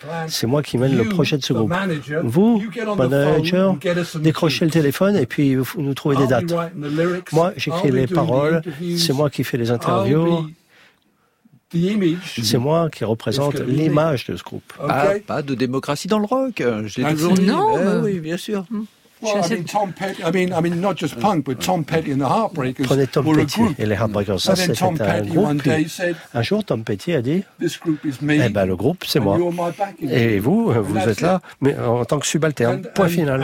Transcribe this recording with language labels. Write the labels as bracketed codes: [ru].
[fr] C'est moi qui mène le projet de ce groupe. Vous, manager, décrochez le téléphone et puis vous nous trouvez des dates. Moi, j'écris les paroles. C'est moi qui fais les interviews. C'est moi qui représente l'image de ce groupe. Pas de démocratie dans le rock. J'ai toujours dit. Non, oui, bien sûr. [en] Well, I mean, Tom Petty, I mean, not just punk, but Tom Petty and the Heartbreakers were a group. [fr] Prenez Tom Petty et les Heartbreakers, ça c'était un groupe. Un jour, Tom Petty a dit, eh ben, le groupe, c'est moi. Et vous, vous êtes là, mais en tant que subalterne, point final.